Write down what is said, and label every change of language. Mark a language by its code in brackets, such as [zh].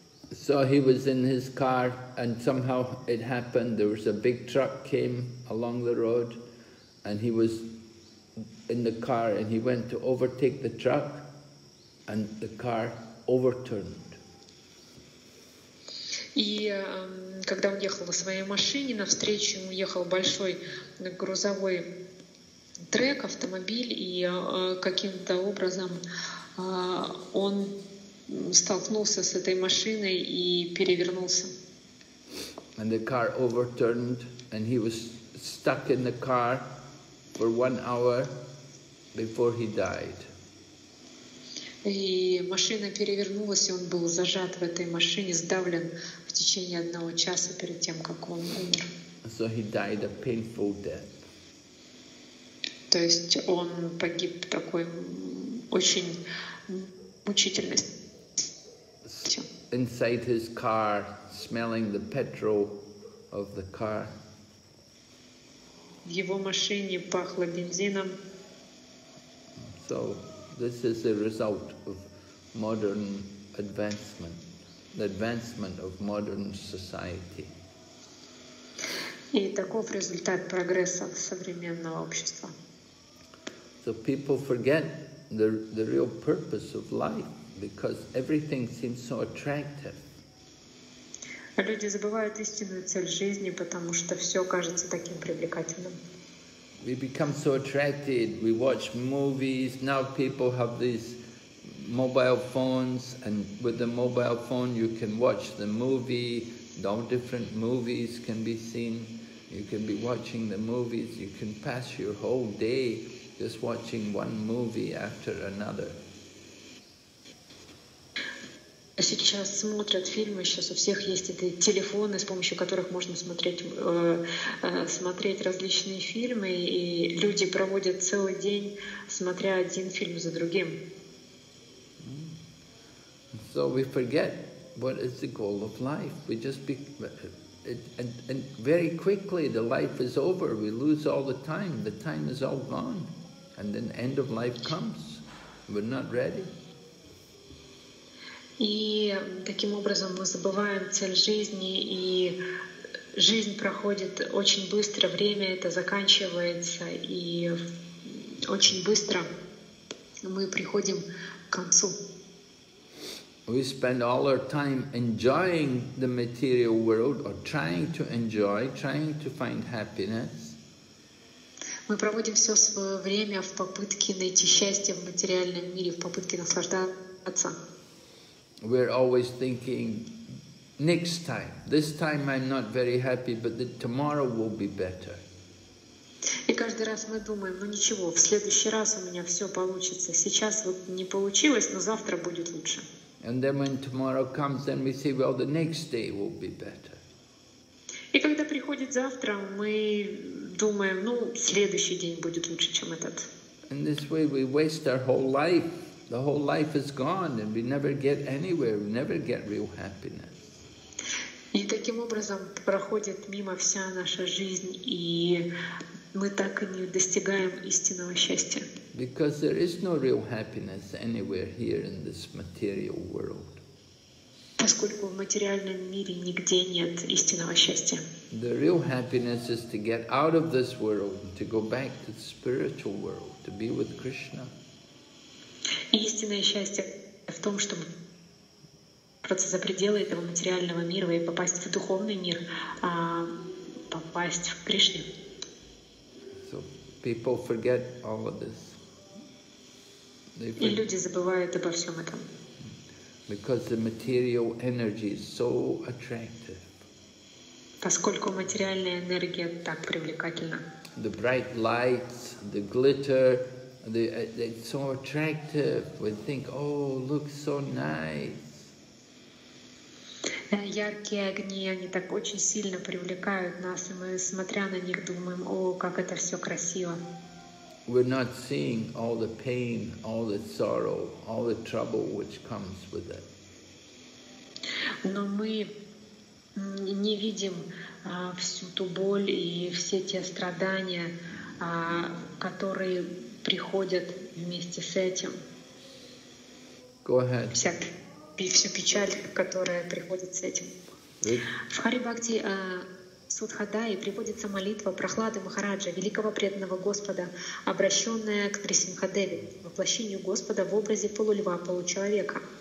[en] So he was in his car and somehow it happened, there was a big truck came along the road. And he was in the car, and he went to overtake the truck, and the car overturned. [ru] И когда он ехал на своей машине, навстречу ему ехал большой грузовой трек, автомобиль, и каким-то образом он столкнулся с этой машиной и перевернулся. [en] And the car overturned, and he was stuck in the car. for 1 hour before he died. [ru] И машина перевернулась, и он был зажат в этой машине, сдавлен в течение 1 часа перед тем, как он умер. [en] So he died a painful death. [ru] То есть он погиб такой очень мучительной. [en] Inside his car, smelling the petrol of the car. [ru] В его машине пахло бензином. [en] So this is the result of modern advancement, the advancement of modern society. [ru] И таков результат прогресса современного общества. [en] So people forget the real purpose of life because everything seems so attractive. [ru] Люди забывают истинную цель жизни, потому что все кажется таким привлекательным. [en] We become so attracted, we watch movies, now people have these mobile phones, and with the mobile phone you can watch the movie, all different movies can be seen, you can be watching the movies, you can pass your whole day just watching one movie after another. [ru] Сейчас смотрят фильмы, сейчас у всех есть эти телефоны, с помощью которых можно смотреть различные фильмы, и люди проводят целый день, смотря один фильм за другим. [en] So we forget what is the goal of life. We just be, and very quickly the life is over. We lose all the time. The time is all gone, and then end of life comes. We're not ready. [ru] И таким образом мы забываем цель жизни, и жизнь проходит очень быстро, время это заканчивается, и очень быстро мы приходим к концу. [en] We spend all our time enjoying the material world, or trying to enjoy, trying to find happiness. [ru] Мы проводим все свое время в попытке найти счастье в материальном мире, в попытке наслаждаться. [en] We're always thinking, next time, this time I'm not very happy, but the tomorrow will be better. [ru] И каждый раз мы думаем, ну ничего, в следующий раз у меня все получится. Сейчас вот не получилось, но завтра будет лучше. [en] And then when tomorrow comes, then we say, well, the next day will be better. [ru] И когда приходит завтра, мы думаем, ну следующий день будет лучше, чем этот. [en] In this way we waste our whole life. The whole life is gone, and we never get anywhere. We never get real happiness. [ru] И таким образом проходит мимо вся наша жизнь, и мы так и не достигаем истинного счастья. [en] Because there is no real happiness anywhere here in this material world. [ru] Поскольку в материальном мире нигде нет истинного счастья. [en] The real happiness is to get out of this world, to go back to the spiritual world, to be with Krishna. [ru] Истинное счастье в том, чтобы просто за пределы этого материального мира и попасть в духовный мир, а попасть в Кришну. [en] So people forget all of this. [ru] И люди забывают обо всем этом. [en] Because the material energy is so attractive. [ru] Поскольку материальная энергия так привлекательна. [en] The bright lights, the glitter. It's so attractive. We think, oh, look so nice. [ru] Яркие огни, они так очень сильно привлекают нас, и мы, смотря на них, думаем, о, как это все красиво. [en] We're not seeing all the pain, all the sorrow, all the trouble which comes with it. [ru] Но мы не видим всю ту боль и все те страдания, которые приходят вместе с этим. [en] Go ahead. [ru] Всю печаль, которая приходит с этим. В Харибхакти Судхадаи приводится молитва Прахлады Махараджа, великого преданного Господа, обращенная к Трисимхадеви, воплощению Господа в образе полулева, получеловека.